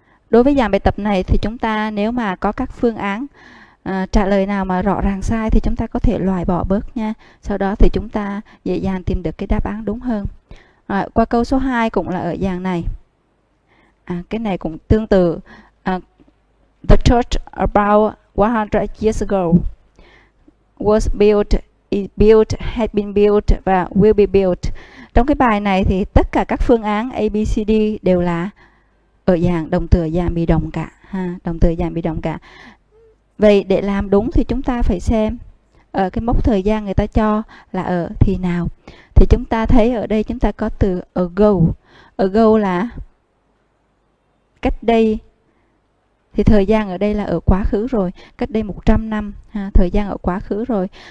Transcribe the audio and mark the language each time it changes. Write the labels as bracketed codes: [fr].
[vi] Đối với dạng bài tập này thì chúng ta nếu mà có các phương án trả lời nào mà rõ ràng sai thì chúng ta có thể loại bỏ bớt nha. Sau đó thì chúng ta dễ dàng tìm được cái đáp án đúng hơn. Rồi, qua câu số 2 cũng là ở dạng này. Cái này cũng tương tự. [en] The church about 100 years ago was built, is built, had been built và will be built. [vi] Trong cái bài này thì tất cả các phương án A, B, C, D đều là ở dạng động từ dạng bị động cả ha, động từ dạng bị động cả. Vậy để làm đúng thì chúng ta phải xem ở cái mốc thời gian người ta cho là ở thì nào. Thì chúng ta thấy ở đây chúng ta có từ ago. Ago là cách đây, thì thời gian ở đây là ở quá khứ rồi, cách đây 100 năm ha, thời gian ở quá khứ rồi.